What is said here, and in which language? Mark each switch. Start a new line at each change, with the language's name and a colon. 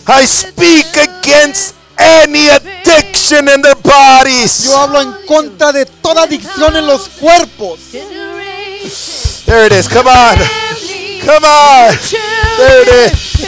English: I speak against any addiction in their body. bodies.
Spanish: Yo hablo en contra de toda adicción en los cuerpos.
English: There it is. Come on. Come on. There it is.